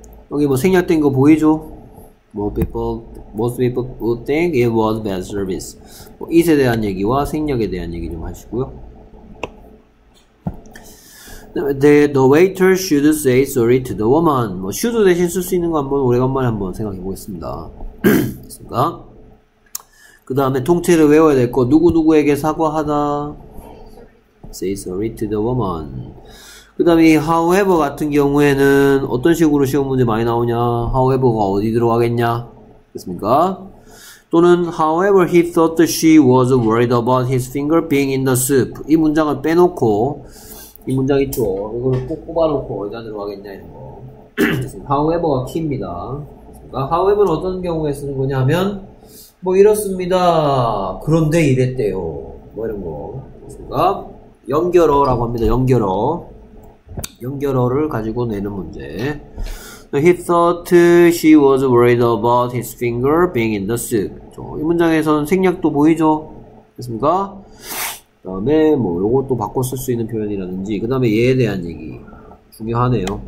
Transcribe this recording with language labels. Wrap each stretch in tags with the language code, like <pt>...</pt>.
<ko>여기 뭐 생략된 거 보이죠?</ko> <en>Most people would think it was bad service.</en> <ko>뭐 이에 대한 얘기와 생략에 대한 얘기 좀 하시고요.</ko> <en>The waiter should say sorry to the woman.</en> <ko>뭐 should 대신 쓸 수 있는 거 한번 오래간만에 한번 생각해 보겠습니다. 됐습니까? 그 다음에 통째를 외워야 될 거. 누구누구에게 사과하다.</ko> <en>Say sorry to the woman.</en> <ko>그 다음에 however 같은 경우에는 어떤 식으로 시험 문제 많이 나오냐. however가 어디 들어가겠냐. 됐습니까?</ko> <en>또는 however he thought she was worried about his finger being in the soup.</en> <ko>이 문장을 빼놓고 이 문장 있죠. 이거를 꼭 뽑아놓고 어디다 들어가겠냐 이런 거. however가 키입니다. however 어떤 경우에 쓰는 거냐면 뭐 이렇습니다. 그런데 이랬대요. 뭐 이런 거. 그러니까 연결어라고 합니다. 연결어. 연결어를 가지고 내는 문제.</ko> <en>He thought she was worried about his finger being in the soup.</en> <ko>이 문장에서는 생략도 보이죠? 됐습니까? 그 다음에 뭐 요것도 바꿔 쓸 수 있는 표현이라든지 그 다음에 얘에 대한 얘기 중요하네요.</ko>